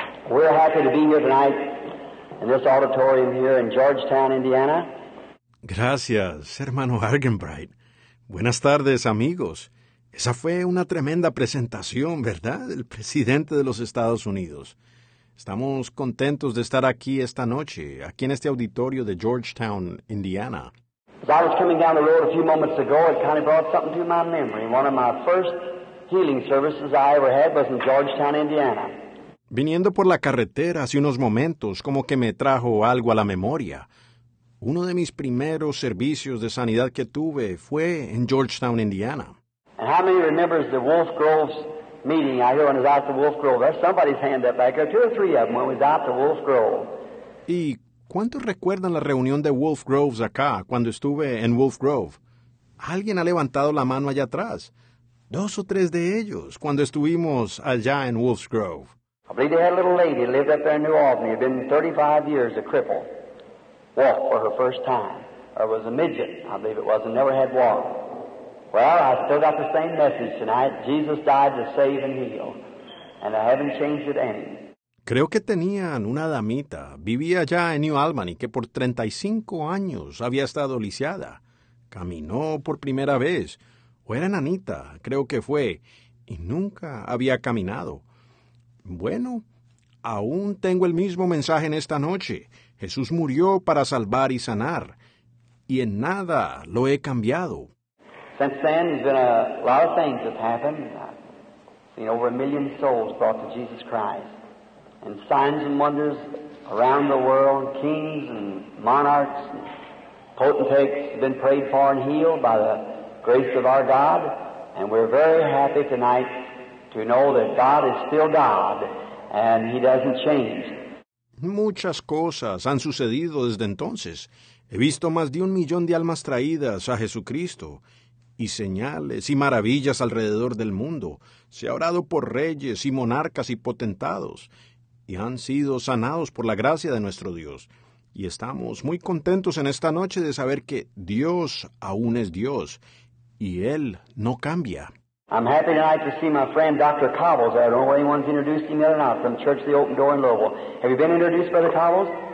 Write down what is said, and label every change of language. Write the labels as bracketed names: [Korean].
[English] We're happy to be here tonight in this auditorium here in Georgetown, Indiana. [Spanish] Gracias, hermano Argenbright. Buenas tardes, amigos. Esa fue una tremenda presentación, ¿verdad? El presidente de los Estados Unidos. Estamos contentos de estar aquí esta noche, aquí en este auditorio de Georgetown, Indiana. [English] As I was coming down the road a few moments ago, it kind of brought something to my memory. One of my first healing services I ever had was in Georgetown, Indiana. [Spanish] Viniendo por la carretera hace unos momentos, como que me trajo algo a la memoria. Uno de mis primeros servicios de sanidad que tuve fue en Georgetown, Indiana. [English] And how many remembers the Wolf Grove's meeting? I hear when I was out the Wolf Grove. There's somebody's hand up back there. Two or three of them when we was out the Wolf Grove. [Spanish] ¿Y cuántos recuerdan la reunión de Wolf Groves acá cuando estuve en Wolf Grove? Alguien ha levantado la mano allá atrás. Dos o tres de ellos cuando estuvimos allá en Wolf Grove. [English] I believe they had a little lady who lived up there in New Albany. Had been 35 years a cripple. Walked for her first time. Or was a midget, I believe it was, and never had walked. Well, I still got the same message tonight. Jesus died to save and heal, and I haven't changed it any. [Spanish] Creo que tenían una damita, vivía allá en New Albany, que por 35 años había estado lisiada. Caminó por primera vez, o era nanita, creo que fue, y nunca había caminado. Bueno, aún tengo el mismo mensaje en esta noche. Jesús murió para salvar y sanar, y en nada lo he cambiado. [English] Since then, there's been a lot of things that have happened. I've seen over a million souls brought to Jesus Christ. And signs and wonders around the world, kings and monarchs and potentates have been prayed for and healed by the grace of our God. And we're very happy tonight to know that God is still God and He doesn't change. [Spanish] Muchas cosas han sucedido desde entonces. He visto más de un millón de almas traídas a Jesucristo. Y señales y maravillas alrededor del mundo. Se ha orado por reyes y monarcas y potentados. Y han sido sanados por la gracia de nuestro Dios. Y estamos muy contentos en esta noche de saber que Dios aún es Dios. Y Él no cambia. [English] I'm happy tonight to see my friend Dr. Cobbles. I don't know if anyone's introduced him yet or not. From Church of the Open Door in Louisville. Have you been introduced, Brother Cobbles?